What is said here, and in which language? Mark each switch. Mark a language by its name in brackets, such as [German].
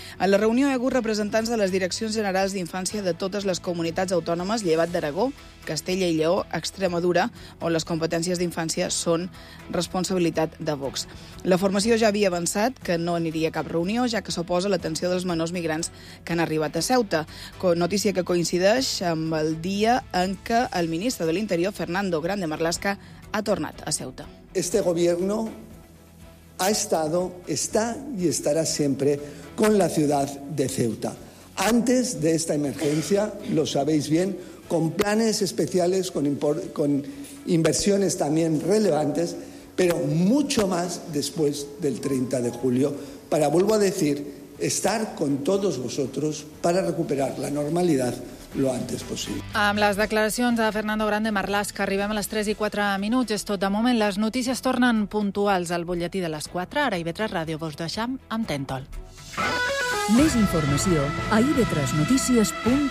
[Catalan] A la reunió hi ha hagut representants de les direccions generals d'infància de totes les comunitats autònomes, llevat d'Aragó, Castella i Lleó, Extremadura, on les competències d'infància són responsabilitat de Vox. La formació ja havia avançat que no aniria a cap reunió, ja que s'oposa a l'atenció dels menors migrants que han arribat a Ceuta. Notícia que coincideix amb el dia en què el ministre de l'Interior, Fernando Grande Marlaska, ha tornat a Ceuta. [Spanish] Este gobierno ha estado, está y estará siempre con la ciudad de Ceuta. Antes de esta emergencia, lo sabéis bien, con planes especiales, con inversiones también relevantes, pero mucho más después del 30 de julio, para, vuelvo a decir, estar con todos vosotros para recuperar la normalidad lo antes posible. [Catalan] Amb les declaracions de Fernando Grande Marlaska, arribem a les 3 i 4 minuts. És tot de moment. Les notícies tornen puntuals al butlletí de les 4. Ara IB3 Ràdio vos deixam amb Tèntol. Més informació a ib3notícies.com.